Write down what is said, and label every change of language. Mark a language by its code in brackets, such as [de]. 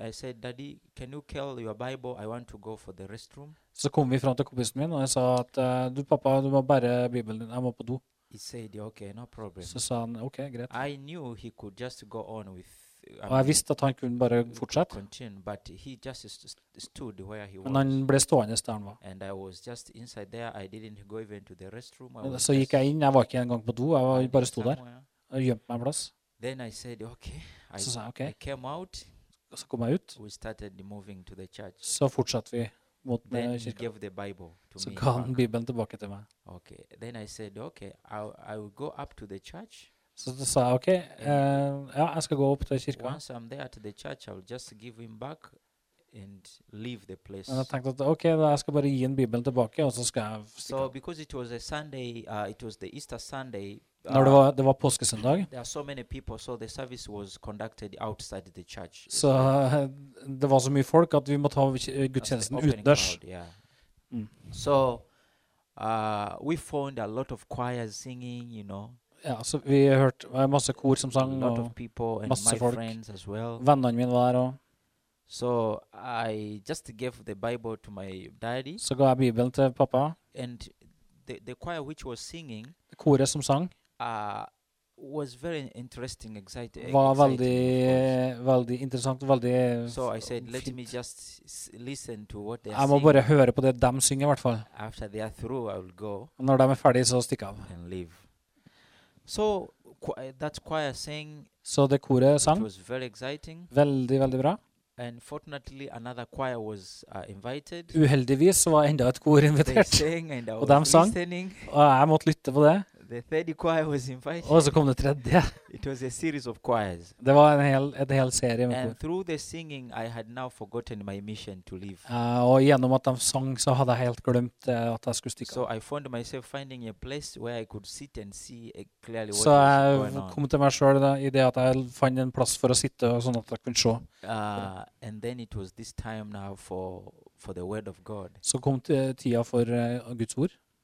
[en] I said, "Daddy, can you call your Bible? I want to go for the restroom." [no] Så kom vi fram til kompisen min, og jeg sa at du pappa, du må bære Bibelen din. Jeg må på do. [en] He said, "Okay, no problem." [no] Så sa han, "Okay, greit." [en] I knew he could just go on with. [no] Og jeg visste at han kunne bare fortsette. [en] Continue, but he just stood where he was. [no] Men han ble stående der han var. [en] And I was just inside there. I didn't go even to the restroom. [no] Så gikk jeg inn. Jeg var ikke engang på do. Jeg var bare stod der. Jeg gjemte meg en plass. [en] Then I said, "Okay." [no] Så sa jeg, okay. [en] I came out. [no] Og så kom jeg ut. [en] We started moving to the church. [no] Så fortsatte vi mot [en] then kirka. Then he gave the Bible to [no] så [en] me. [no] Så ga han Bibelen tilbake til meg. [en] Okay. Then I said, "Okay, I will go up to the church." [no] Så da sa jeg, okay, ja, jeg skal gå opp til kirka. [en] Once I'm there at the church, I'll just give him back and leave the place. [no] Men jeg tenkte at, okay, da jeg skal bare gi en Bibelen tilbake, og så skal jeg stikke. [en] So because it was a Sunday, it was the Easter Sunday. [no] Når det var påskesøndag. [en] There are so many people, so the service was conducted outside the church. [no] Så det var så mye folk at vi måtte ha gudstjenesten utendørs. [en] Yeah. So we found a lot of choirs singing, you know. [no] Ja, så vi hørte masse kor som sang, og masse folk. [en] Well. [no] Vennene mine var der også. [en] So I just gave the Bible to my daddy. [no] Så ga jeg Bibelen til pappa. [en] And the choir which was singing, [no] det koret som sang, [en] was very interesting, exciting. [no] Var veldig, veldig interessant, veldig [en] so I said, let me just listen to what they're [no] singing. Jeg må bare høre på det de synger, hvertfall. [en] After they are through, I will go. [no] Når de ferdige, så stikk av. [en] And leave. So that choir sang. So the choir sang. It was very exciting. [no] Veldig, veldig bra. [en] And fortunately, another choir was invited. [no] Uheldigvis var enda et kor invitert. [en] They sang and I was listening. [no] Og jeg måtte lytte på det. [en] The third choir was invited. [no] Og så kom det tredje. [en] It was a series of choirs. [no] Det var en hel serie med [en] kor. And through the singing, I had now forgotten my mission to leave. [no] Og gjennom at de sang, så hadde jeg helt glemt at jeg skulle stikke. [en] So I found myself finding a place where I could sit and see clearly what was going on. [no] Så jeg kom til meg selv da, i det at jeg fant en plass for å sitte, sånn at jeg kunne se. [en] And then it was this time now for the word of God. [no] Så kom tida for Guds ord.